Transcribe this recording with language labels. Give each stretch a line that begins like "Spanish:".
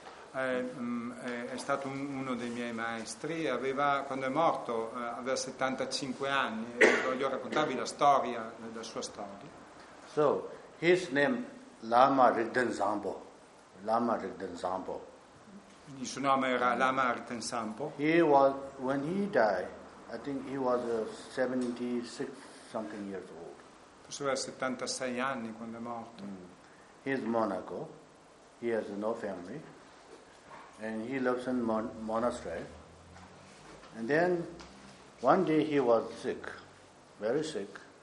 Italian: È stato uno dei miei maestri, quando è morto aveva 75 anni, e voglio raccontarvi la sua storia.
English: So, his name Lama Rigden Zambo. Lama Rigden Zambo.
Italian: Il suo nome era Lama Rigden Zambo.
English: When he died, I think he was 76 something years old.
Italian: Forse aveva 76 anni quando è morto.
English: He's monaco. He has no family. And he lives in monastery. And then one day he was sick, very sick.